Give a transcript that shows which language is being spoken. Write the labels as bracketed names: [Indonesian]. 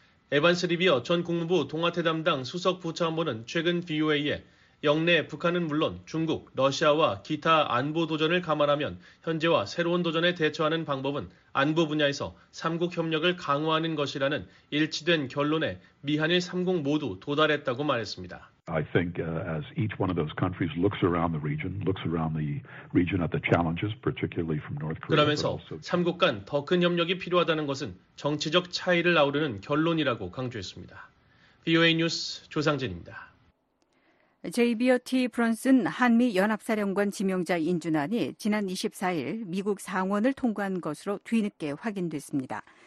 [Korean] 에반스 리비어 전 국무부 동아태 담당 수석 부참보는 최근 VOA에 역내 북한은 물론 중국, 러시아와 기타 안보 도전을 감안하면 현재와 새로운 도전에 대처하는 방법은 안보 분야에서 3국 협력을 강화하는 것이라는 일치된 결론에 미한일 3국 모두 도달했다고 말했습니다. [English] I think as each one of those countries looks around the region, looks around the region at the challenges, particularly from North Korea. [Korean] 그러면서 3국 간 더 큰 협력이 필요하다는 것은 정치적 차이를 아우르는 결론이라고 강조했습니다. VOA 뉴스 조상진입니다. JBOT 브런슨 한미연합사령관 지명자 인준안이 지난 24일 미국 상원을 통과한 것으로 뒤늦게 확인됐습니다.